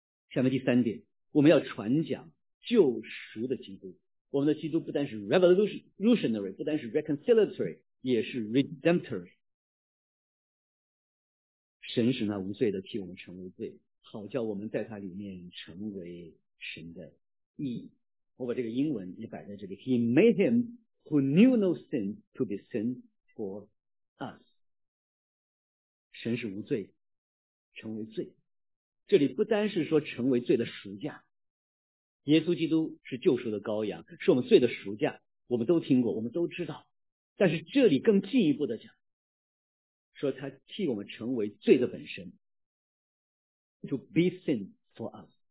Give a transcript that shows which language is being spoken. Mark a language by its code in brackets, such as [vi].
[zh] 下面第三点，我们要传讲救赎的基督。我们的基督不单是 revolutionary， 不单是 reconciliatory， 也是 redemptory。神使那无罪的替我们成为罪，好叫我们在他里面成为神的义。我把这个英文也摆在这里， [en] He made him who knew no sin to be sin for us。 [zh] 神是无罪成为罪，这里不单是说成为罪的赎价，耶稣基督是救赎的羔羊，是我们罪的赎价，我们都听过，我们都知道。但是这里更进一步的讲，说他替我们成为罪的本身， [en] To be sin for us。